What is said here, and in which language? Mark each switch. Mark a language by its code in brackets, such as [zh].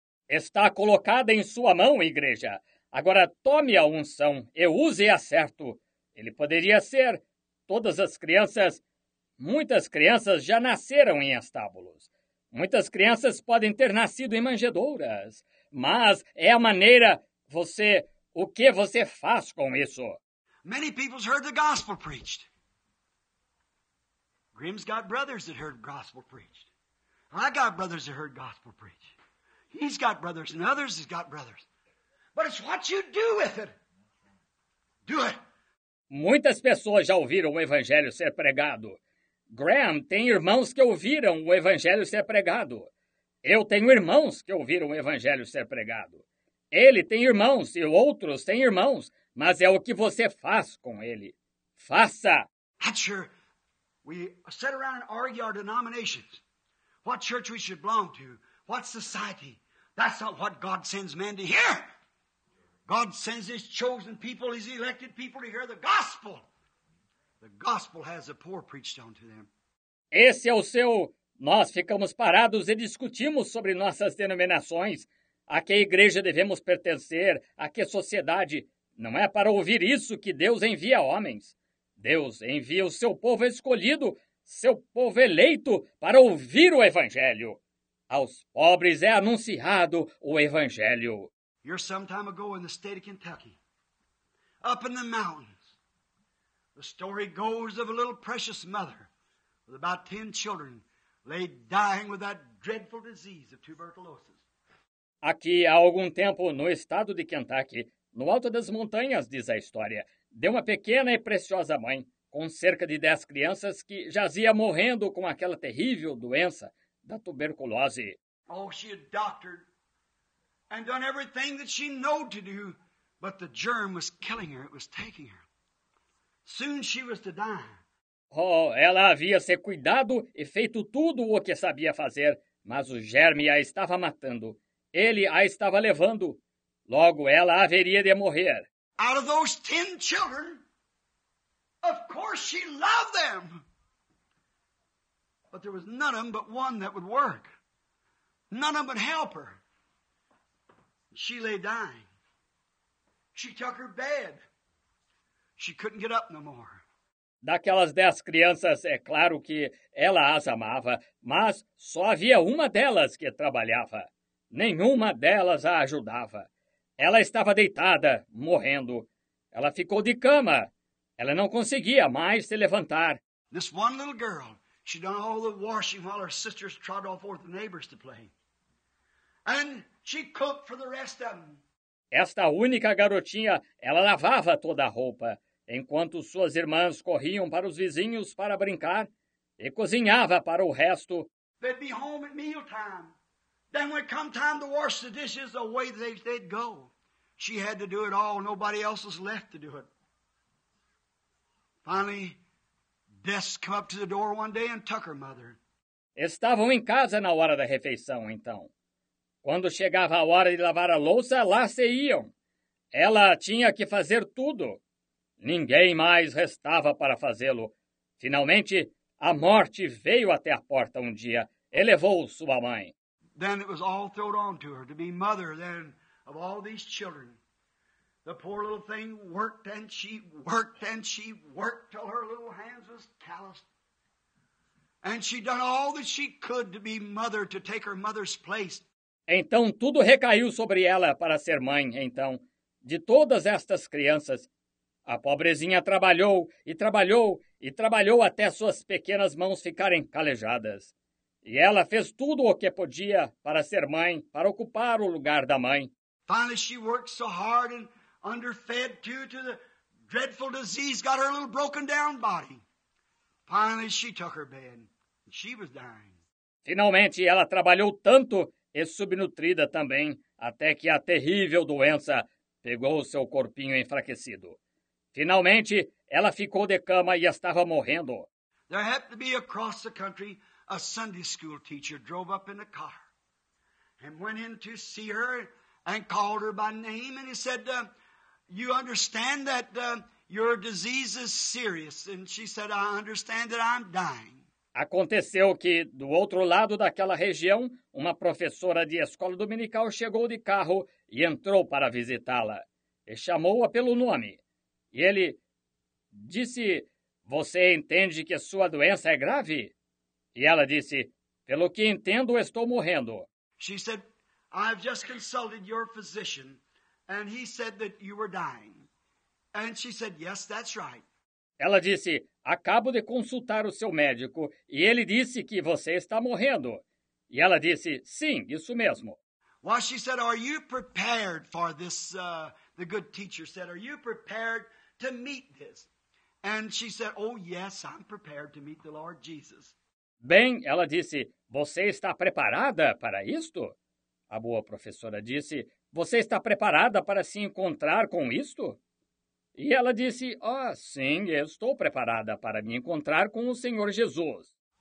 [pt] Está colocada em sua mão, igreja. Agora tome a unção e use-a certo. Ele poderia ser. Todas as crianças, muitas crianças já nasceram em estábulos. Muitas crianças podem ter nascido em manjedouras. Mas é a maneira, você, o que você faz com isso? [en] Many people heard the gospel preached. Grimm's got brothers that heard gospel preached. I got brothers that heard gospel preached. He's got brothers and others has got brothers. But it's what you do with it. Do it. [pt] Muitas pessoas já ouviram o evangelho ser pregado. Graham tem irmãos que ouviram o evangelho ser pregado. Eu tenho irmãos que ouviram o evangelho ser pregado. Ele tem irmãos e outros têm irmãos, mas é o que você faz com ele. Faça. [en] We sit around and argue our denominations. What church we should belong to? What society? That's not what God sends men to hear. God sends his chosen people, his elected people to hear the gospel. The gospel has the poor preached unto them. [pt] Esse é o seu... Nós ficamos parados e discutimos sobre nossas denominações. A que igreja devemos pertencer? A que sociedade? Não é para ouvir isso que Deus envia homens. Deus envia o seu povo escolhido, seu povo eleito, para ouvir o evangelho. Aos pobres é anunciado o evangelho. [en] You're some time ago in the state of Kentucky, up in the mountains. The story goes of a little precious mother with about 10 children laid dying with that dreadful disease of tuberculosis. [pt] Aqui há algum tempo, no estado de Kentucky, no alto das montanhas, diz a história, de uma pequena e preciosa mãe com cerca de 10 crianças que jazia morrendo com aquela terrível doença da tuberculose. [en] Oh, she had doctored and done everything that she knew to do, but the germ was killing her, it was taking her. Soon she was to die. [pt] Oh, ela havia se cuidado e feito tudo o que sabia fazer, mas o germe a estava matando. Ele a estava levando. Logo, ela haveria de morrer. [en] Out of those 10 children, of course she loved them. But there was none of them but one that would work. None of them would help her. She lay dying. She took her bed. She couldn't get up no more. [pt] Daquelas 10 crianças, é claro que ela as amava, mas só havia uma delas que trabalhava. Nenhuma delas a ajudava. Ela estava deitada, morrendo. Ela ficou de cama. Ela não conseguia mais se levantar. [en] This one little girl. She done all the washing while her sisters trotted off over the neighbors to play. And she cooked for the rest of them. [pt] Esta única garotinha, ela lavava toda a roupa, enquanto suas irmãs corriam para os vizinhos para brincar e cozinhava para o resto. [en] They'd be home at mealtime. Then when it come time to wash the dishes away, they'd go. She had to do it all. Nobody else was left to do it. Finally, Bess came up to the door one day and took her mother. [pt] Estavam em casa na hora da refeição, então. Quando chegava a hora de lavar a louça, lá se iam. Ela tinha que fazer tudo. Ninguém mais restava para fazê-lo. Finalmente, a morte veio até a porta um dia e levou sua mãe. [en] Then it was all thrown on to her to be mother then of all these children. The poor little thing worked and she worked and she worked till her little hands was calloused. And she done all that she could to be mother to take her mother's place. [pt] Então tudo recaiu sobre ela para ser mãe, então, de todas estas crianças. A pobrezinha trabalhou e trabalhou e trabalhou até suas pequenas mãos ficarem calejadas. E ela fez tudo o que podia para ser mãe, para ocupar o lugar da mãe. [en] Finally, she worked so hard and underfed too to the dreadful disease got her little broken down body. Finally, she took her bed. She was dying. [pt] Finalmente, ela trabalhou tanto e subnutrida também, até que a terrível doença pegou seu corpinho enfraquecido. Finalmente, ela ficou de cama e estava morrendo. [en] There happened to be across the country a Sunday school teacher drove up in a car and went in to see her and called her by name and he said, you understand that your disease is serious? And she said, I understand that I'm dying. [pt] Aconteceu que, do outro lado daquela região, uma professora de escola dominical chegou de carro e entrou para visitá-la. E chamou-a pelo nome. E ele disse, você entende que sua doença é grave? E ela disse, pelo que entendo, estou morrendo. [en] She said, I've just consulted your physician, and he said that you were dying. And she said, yes, that's right. [pt] Ela disse, acabo de consultar o seu médico e ele disse que você está morrendo. E ela disse, sim, isso mesmo. [en] Well, she said, are you prepared for this? The good teacher said, are you prepared to meet this? And she said, oh, yes, I'm prepared to meet the Lord Jesus. [pt] Bem, ela disse, você está preparada para isto? A boa professora disse, você está preparada para se encontrar com isto? E ela disse, oh, sim, estou preparada para me encontrar com o Senhor Jesus.